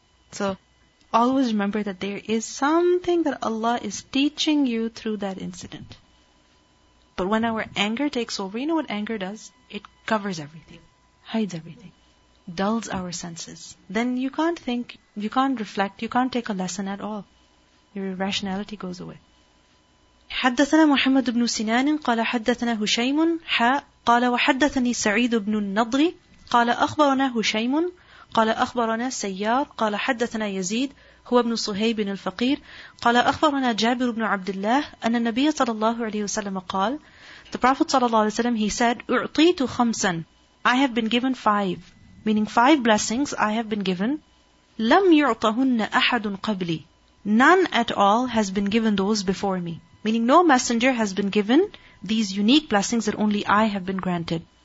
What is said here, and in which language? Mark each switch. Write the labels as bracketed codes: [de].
[en] So always remember that there is something that Allah is teaching you through that incident. But when our anger takes over, you know what anger does? It covers everything, hides everything. dulls our senses. Then you can't think, you can't reflect, you can't take a lesson at all. Your rationality goes away. [ar] حدثنا محمد بن سنان قال حدثنا هشيم حاء قال وحدثني سعيد بن النضر قال أخبرنا هشيم قال أخبرنا سيار قال حدثنا يزيد هو ابن صهيب الفقير قال أخبرنا جابر بن عبد الله أن النبي صلى الله عليه وسلم قال [en] The Prophet [ar] صلى الله عليه وسلم [en] he said [ar] أعطيت خمسا [en] I have been given five meaning five blessings I have been given [ar] لم يعطهن أحد قبلي [en] None at all has been given those before me meaning no messenger has been given these unique blessings that only I have been granted